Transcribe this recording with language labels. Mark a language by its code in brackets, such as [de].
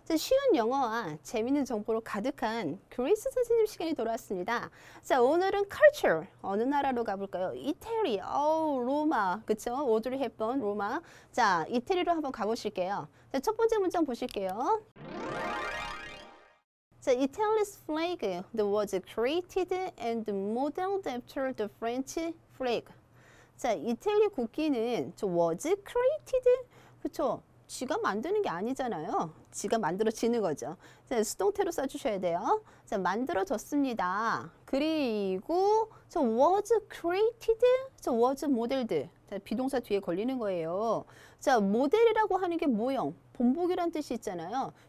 [ko] 쉬운 영어와 재미있는 정보로 가득한 그리스 선생님 시간이 돌아왔습니다. 자, 오늘은 culture, 어느 나라로 가볼까요? 이태리, 로마, 그쵸? 오드리 헵번, 로마. 자, 이태리로 한번 가보실게요. 자, 첫 번째 문장 보실게요. 자, [en] Italy's flag was created and modeled after the French flag. [ko] 자, 이태리 국기는 [en] was created, [ko] 그쵸? 지가 만드는 게 아니잖아요. 지가 만들어지는 거죠. 자, 수동태로 써주셔야 돼요. 자, 만들어졌습니다. 그리고 저 [en] was created, [ko] 저 [en] was modeled. [ko] 자, 비동사 뒤에 걸리는 거예요. 자, 모델이라고 하는 게 모형, 본보기란 뜻이 있잖아요.